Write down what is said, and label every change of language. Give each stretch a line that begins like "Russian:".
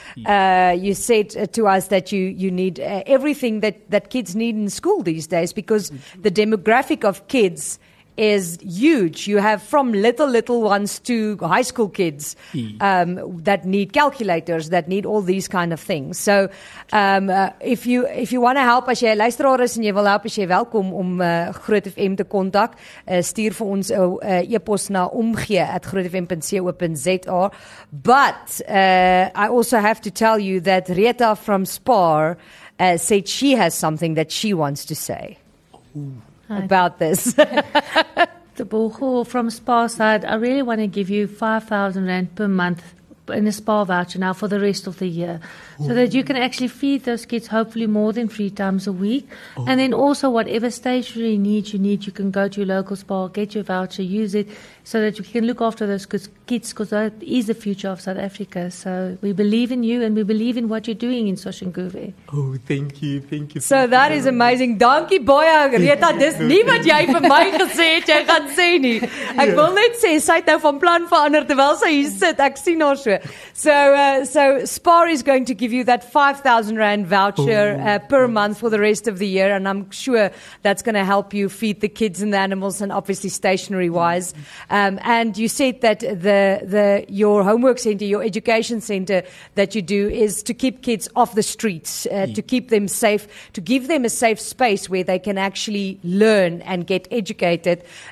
English: You said to us that you need everything that kids need in school these days, because the demographic of kids is huge. You have from little ones to high school kids that need calculators, that need all these kind of things. So if you want to help,
Afrikaans: as jy luisteraar is en jy wil help, as jy welkom om Groot FM te kontak, stuur vir ons 'n e-pos na omgee@grootfm.co.za.
English: But I also have to tell you that Rita from Spar said she has something that she wants to say. Ooh. About this. Tebogo from Spar said, I really want to give you 5,000 rand per month in a spa voucher now for the rest of the year. Oh. So that you can actually feed those kids hopefully more than 3 times a week. Oh. And then also whatever stationery you need, you can go to your local spa, get your voucher, use it, so that you can look after those kids, because that is the future of South Africa. So we believe in you and we believe in what you're doing in Shoshanguve. Oh, thank you. So that is amazing.
Afrikaans: Dankie baie,
English: Rita.
Afrikaans: Dis nie wat jy vir my gesê het, jy gaan sê nie. Ek wil net sê, sy het nou van plan verander terwyl sy hier sit. Ek sien haar so.
English: So Spar is going to give you that 5,000 rand voucher per month for the rest of the year, and I'm sure that's going to help you feed the kids and the animals, and obviously stationery wise. And you said that your homework center, your education center that you do, is to keep kids off the streets, to keep them safe, to give them a safe space where they can actually learn and get educated.